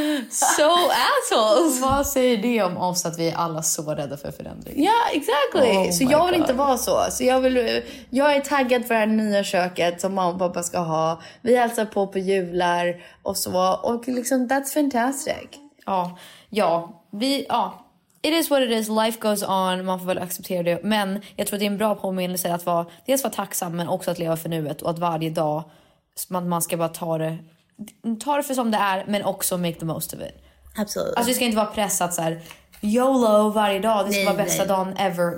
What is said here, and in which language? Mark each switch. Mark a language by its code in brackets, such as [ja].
[en] So assholes! [sv] Vad säger det om oss att vi är alla så rädda för förändring? [en] Ja, yeah, exactly! [sv] Oh, så jag vill inte vara så. Så jag är taggad för det här nya köket som mamma och pappa ska ha. Vi hälsar på jular och så. Och liksom, [en] that's fantastic. Ja, it is what it is, life goes on. [sv] Man får väl acceptera det. Men jag tror att det är en bra påminnelse att vara, dels vara tacksam, men också att leva för nuet. Och att varje dag, man ska bara ta det för som det är, men också [en] make the most of it. Absolutely. [sv] Alltså vi ska inte vara pressat så här, YOLO varje dag, det ska vara bästa dagen ever.